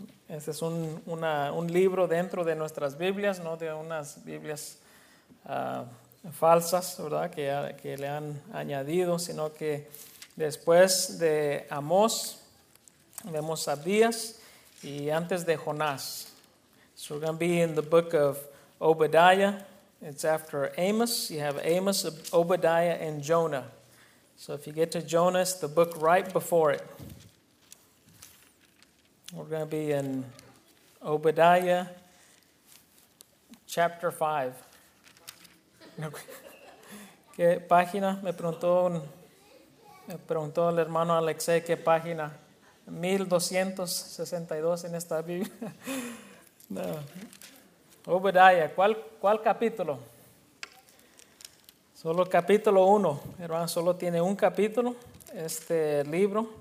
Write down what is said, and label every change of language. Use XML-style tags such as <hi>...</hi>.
<es>Este es un libro dentro de nuestras Biblias, no de unas Biblias falsas, ¿verdad? Que le han añadido, sino que después de Amós vemos a Abdías y antes de Jonás.</es> <en>So we're going to be in the book of Obadiah. It's after Amos. You have Amos, Obadiah, and Jonah. So if you get to Jonah, it's the book right before it. We're going to be in Obadiah chapter 5.</en> <es>¿Qué página? Me preguntó el hermano Alexei, ¿qué página? 1262 en esta Biblia. No. Obadiah, ¿cuál capítulo? Solo capítulo 1, hermano, solo tiene un capítulo este libro.</es>